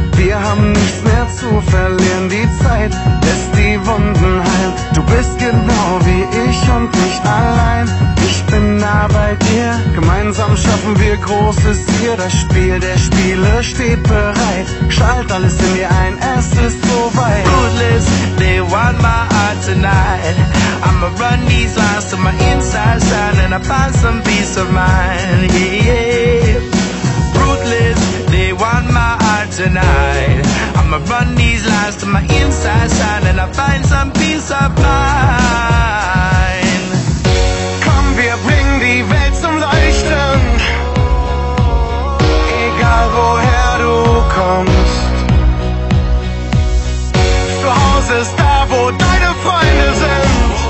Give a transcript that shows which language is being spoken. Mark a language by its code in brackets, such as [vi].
[de] Wir haben nichts mehr zu verlieren. Die Zeit lässt die Wunden heilen. Du bist genau wie ich und nicht allein. Ich bin nah bei dir. Gemeinsam schaffen wir Großes hier. Das Spiel der Spiele steht bereit. Schalt alles in dir ein, es ist soweit. [en] Ruthless, they want my heart tonight. I'ma run these lines to my inside shine and I find some peace of mind, yeah. Ruthless, they want my heart tonight. I'ma run these lines to my inside shine and I find some peace of mind. [de] Komm, wir bringen die Welt zum Leuchten. Egal woher du kommst. Zu Hause ist da, wo deine Freunde sind.